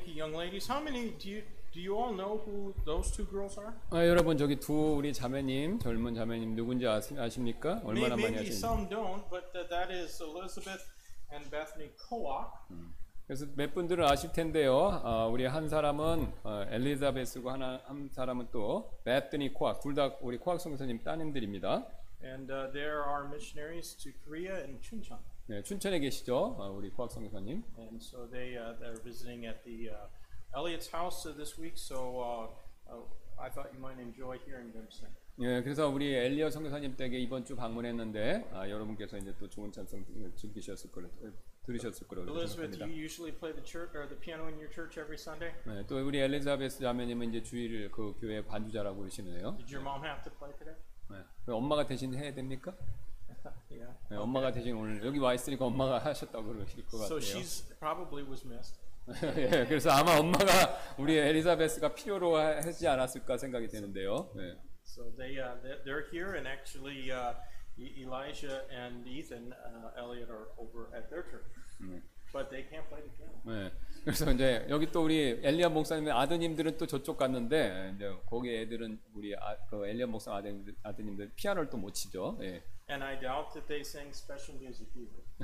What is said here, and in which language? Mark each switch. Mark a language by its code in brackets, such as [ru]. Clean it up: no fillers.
[en] Ladies, how many do you all know who those two girls are? [ko] 아, 여러분 저기 두 우리 자매님, 젊은 자매님 누군지 아십니까? 얼마나 [en] maybe [ko] 많이 아십니까? [en] Maybe some don't, but that is Elizabeth and Bethany Kowak. [ko] 그래서 몇 분들은 아실 텐데요. 우리 한 사람은 엘리자베스고 하나 한 사람은 또 베트니 코악. 둘 다 우리 코악 선교사님 따님들입니다. [en] And there are missionaries to Korea and Chuncheon. [ko] 네, 춘천에 계시죠, 우리 코악 선교사님. [en] And so they're visiting at the Elliot's house this week. So I thought you might enjoy hearing them sing. [ko] 네, 그래서 우리 엘리엇 선교사님 댁에 이번 주 방문했는데 여러분께서 이제 또 좋은 찬송을 즐기셨을 거라 들으셨을 거라고 생각합니다. [en] Elizabeth, do you usually play the church or the piano in your church every Sunday? [ko] 네, 또 우리 엘리자베스 자매님은 이제 주일을 그 교회 관주자라고 그러시네요. [en] Did your mom have to play today? [ko] 네, 엄마가 대신 해야 됩니까? [en] Yeah. [ko] 네, 엄마가 대신 오늘 여기 와 있으니까 엄마가 하셨다고 그러실 것 같아요. [en] So she's probably was missed. [ko] 예, 그래서 아마 엄마가 우리 엘리자베스가 필요로 하지 않았을까 생각이 되는데요. 예. [en] So they're here and actually Elijah and Ethan Elliot are over at their church. But they can't play the piano. [ko] 네. 그래서 이제 여기 또 우리 엘리엇 목사님의 아드님들은 또 저쪽 갔는데 이제 거기 애들은 우리 그 엘리엇 목사 아드님들 피아노를 또 못 치죠. 예. [en] And I doubt that they sing special music either.